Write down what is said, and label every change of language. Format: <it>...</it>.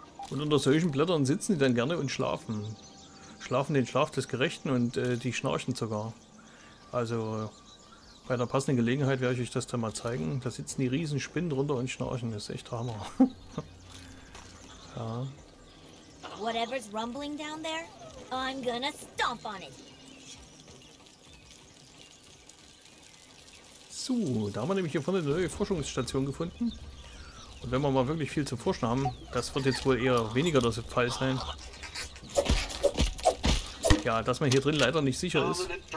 <de>Und unter solchen Blättern sitzen die dann gerne und schlafen. Schlafen den Schlaf des Gerechten und die schnarchen sogar. Also bei einer passenden Gelegenheit werde ich euch das dann mal zeigen. Da sitzen die riesen Spinnen drunter und schnarchen. Das ist echt Hammer. Ja.</de> <en>Whatever's rumbling down there, I'm gonna stomp on it.</en> <de>So, da haben wir nämlich hier vorne eine neue Forschungsstation gefunden. Und wenn wir mal wirklich viel zu forschen haben, das wird jetzt wohl eher weniger das Fall sein. Ja, dass man hier drin leider nicht sicher ist.</de>